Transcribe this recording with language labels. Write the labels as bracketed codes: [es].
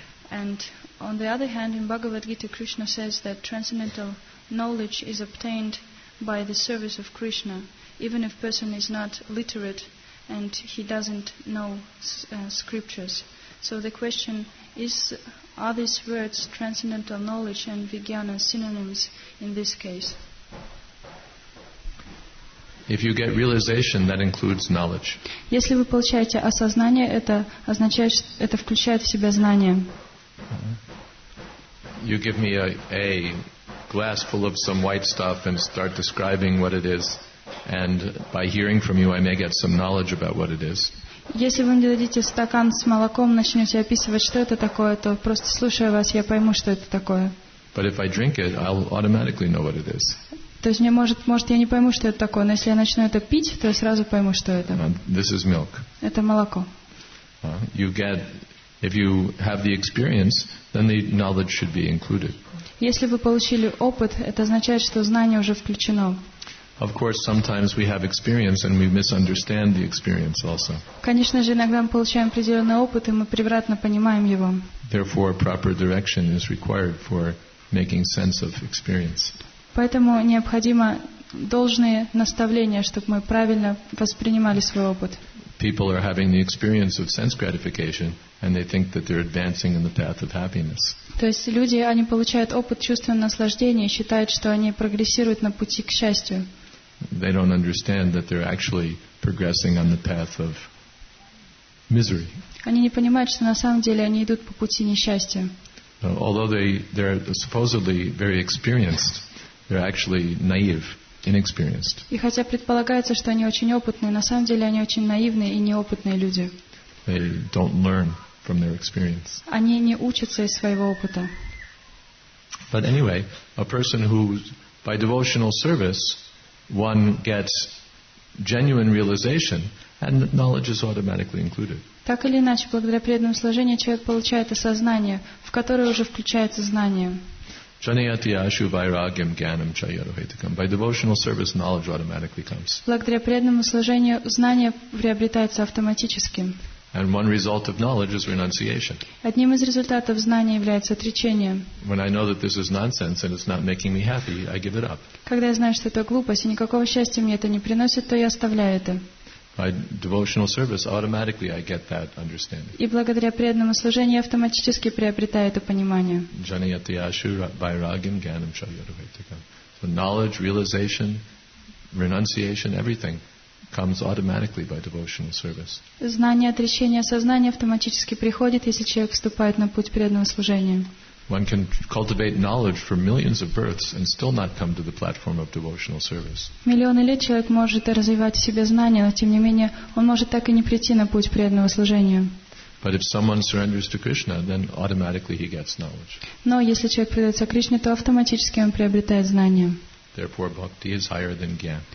[en] And on the other hand, in Bhagavad Gita, Krishna says that transcendental knowledge is obtained by the service of Krishna, even if person is not literate and he doesn't know scriptures. So the question is, are these words, transcendental knowledge and vijnana, synonyms in this case? If you get realization, that includes knowledge. [ru] Если вы получаете осознание, это означает, это включает в себя знание. [en] You give me a glass full of some white stuff and start describing what it is, and by hearing from you, I may get some knowledge about what it is. [ru] Если вы мне дадите стакан с молоком, начнете описывать, что это такое, то просто слушая вас, я пойму, что это такое. [en] But if I drink it, I'll automatically know what it is. [ru] То есть мне может я не пойму, что это такое, но если я начну это пить, то я сразу пойму, что это. [en] This is milk. [ru] Это молоко. [en] You get. If you have the experience, then the knowledge should be included. [ru] Если вы получили опыт, это означает, что знание уже включено. [en] Of course, sometimes we have experience and we misunderstand the experience also. [ru] Конечно же, иногда мы получаем определенный опыт и мы превратно понимаем его. [en] Therefore, proper direction is required for making sense of experience. [ru] Поэтому необходимо должные наставления, чтобы мы правильно воспринимали свой опыт. [en] People are having the experience of sense gratification, and they think that they're advancing in the path of happiness. [ru] То есть люди, они получают опыт чувственного наслаждения, считают, что они прогрессируют на пути к счастью. [en] They don't understand that they're actually progressing on the path of misery. [ru] Они не понимают, что на самом деле они идут по пути несчастья. [en] Although they're supposedly very experienced, they're actually naive. Inexperienced. [ru] И хотя предполагается, что они очень опытные, на самом деле они очень наивные и неопытные люди. [en] They don't learn from their experience. [ru] Они не учатся из своего опыта. [en] But anyway, a person who, by devotional service, one gets genuine realization, and knowledge is automatically included. [ru] Так или иначе, благодаря преданному служению человек получает осознание, в которое уже включается знание. [sa] Janayati ashu vairagyam gyanam chayarohetakam. [en] By devotional service, knowledge automatically comes. [ru] Благодаря преданному служению знание приобретается автоматически. [en] And one result of knowledge is renunciation. [ru] Одним из результатов знания является отречение. [en] When I know that this is nonsense and it's not making me happy, I give it up. [ru] Когда я знаю, что это глупость и никакого счастья мне это не приносит, то я оставляю это. [en] By devotional service, automatically I get that understanding. [ru] И благодаря преданному служению я автоматически приобретаю это понимание. [sa] Janayati ashu vairagyam gyanam cha yadavaitikam. [en] So knowledge, realization, renunciation, everything comes automatically by devotional service. [ru] Знание, отречение, сознание автоматически приходит, если человек вступает на путь преданного служения. [en] One can cultivate knowledge for millions of births and still not come to the platform of devotional service. [ru] Миллионы лет человек может развивать в себе знания, но тем не менее он может так и не прийти на путь преданного служения. [en] But if someone surrenders to Krishna, then automatically he gets knowledge. [ru] Но если человек предается Кришне, то автоматически он приобретает знания. [en] Therefore, bhakti is higher than gyan.